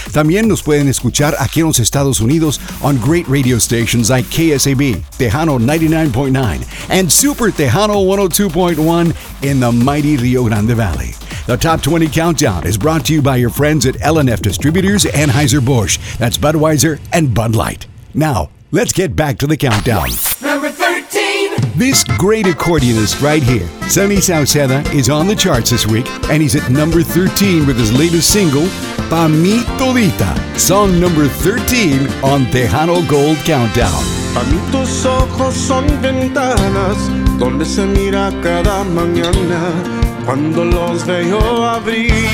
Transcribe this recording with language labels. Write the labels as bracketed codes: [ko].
[es] También nos pueden escuchar aquí en los Estados Unidos [en] on great radio stations like KSAB, Tejano 99.9, and Super Tejano 102.1 in the mighty Rio Grande Valley. The Top 20 Countdown is brought to you by your friends at L&F Distributors, Anheuser-Busch. That's Budweiser and Bud Light. Now, let's get back to the countdown. Number 13. This great accordionist right here, Sonny Sauceda, is on the charts this week, and he's at number 13 with his latest single, Pa Mi Todita, song number 13 on Tejano Gold Countdown. [es] Pa mí tus ojos son ventanas donde se mira cada mañana cuando los veo abrir.